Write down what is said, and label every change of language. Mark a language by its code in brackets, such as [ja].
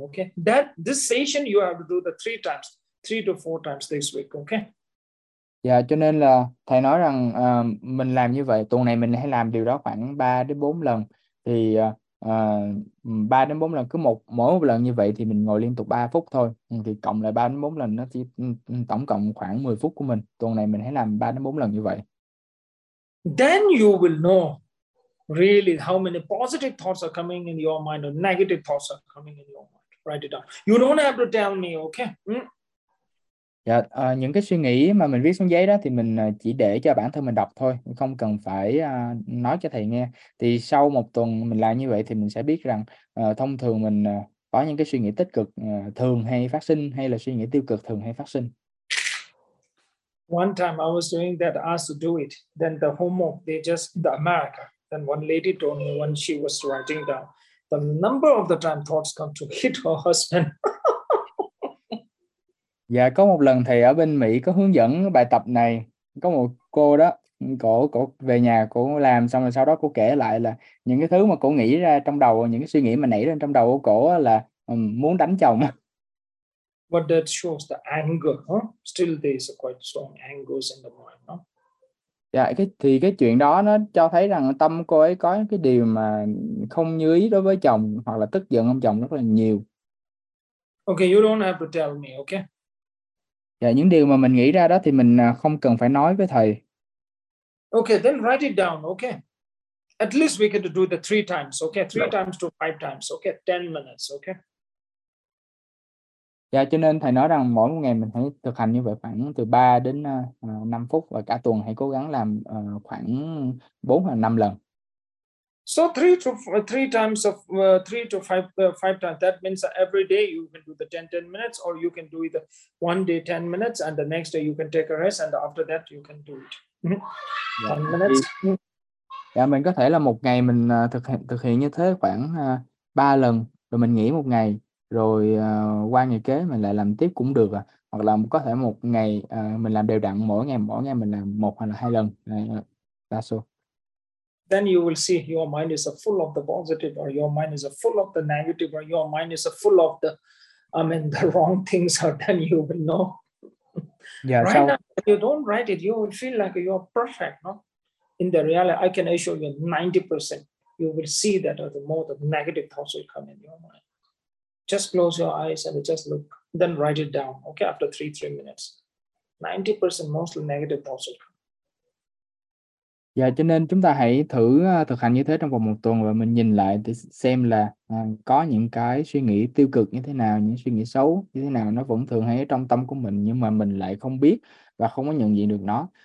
[en] Okay, this session you have to do the three times, three to four times this week. Okay. [vi] Dạ, cho nên là thầy nói rằng mình làm như vậy, tuần này mình hãy làm điều đó khoảng 3 đến 4 lần. Thì 3 đến 4 lần, cứ mỗi một lần như vậy thì mình ngồi liên tục 3 phút thôi. Thì cộng lại 3 đến 4 lần nó chỉ tổng cộng khoảng 10 phút của mình. Tuần này mình hãy làm 3 đến 4 lần như vậy. [en] Then you will know really how many positive thoughts are coming in your mind or negative thoughts are coming in your mind. Write it down. You don't have to tell me, okay? [vi] Dạ, những cái suy nghĩ mà mình viết xuống giấy đó thì mình chỉ để cho bản thân mình đọc thôi, không cần phải nói cho thầy nghe. Thì sau một tuần mình làm như vậy thì mình sẽ biết rằng thông thường mình có những cái suy nghĩ tích cực thường hay phát sinh, hay là suy nghĩ tiêu cực thường hay phát sinh. [en] One time I was doing that, asked to do it, then the homework, they just, the America, then one lady told me when she was writing down, the number of the time thoughts come to hit her husband. [vi] Dạ, có một lần thầy ở bên Mỹ có hướng dẫn bài tập này, có một cô đó, cổ về nhà cổ làm xong rồi sau đó cô kể lại là những cái thứ mà cổ nghĩ ra trong đầu, những cái suy nghĩ mà nảy lên trong đầu của cổ là muốn đánh chồng. [en] But that shows the anger, huh? Still there is a quite strong anger in the mind, huh? [vi] Dạ, cái chuyện đó nó cho thấy rằng tâm cô ấy có cái điều mà không như ý đối với chồng, hoặc là tức giận ông chồng rất là nhiều. [en] Okay, you don't have to tell me, okay? [vi] Dạ, những điều mà mình nghĩ ra đó thì mình không cần phải nói với thầy. [en] Okay, then write it down, okay? At least we can do the three times, okay? Three times to five times, okay? 10 minutes, okay? [vi] Dạ, cho nên thầy nói rằng mỗi một ngày mình hãy thực hành như vậy khoảng từ 3 đến 5 phút, và cả tuần hãy cố gắng làm khoảng 4 hoặc 5 lần. [en] So three to five times, that means every day you can do the 10 minutes, or you can do it one day 10 minutes and the next day you can take a rest and after that you can do it. 10 minutes. [vi] Dạ, mình có thể là một ngày mình thực hiện như thế khoảng 3 lần, rồi mình nghỉ một ngày, rồi qua ngày kế mình lại làm tiếp cũng được. Hoặc là có thể một ngày mình làm đều đặn, mỗi ngày mình làm một hoặc là hai lần. [en] That's all. Then you will see your mind is full of the positive, or your mind is full of the negative, or your mind is full of the wrong things, or then you will know. Yeah, right, so now, if you don't write it, you will feel like you are perfect, no? In the reality, I can assure you 90%, you will see that the more the negative thoughts will come in your mind. Just close your eyes and just look, then write it down, okay, after three minutes. 90% mostly negative thoughts will come. [vi] Dạ, cho nên chúng ta hãy thử thực hành như thế trong vòng một tuần, và mình nhìn lại để xem là có những cái suy nghĩ tiêu cực như thế nào, những suy nghĩ xấu như thế nào, nó vẫn thường hay ở trong tâm của mình nhưng mà mình lại không biết và không có nhận diện được nó.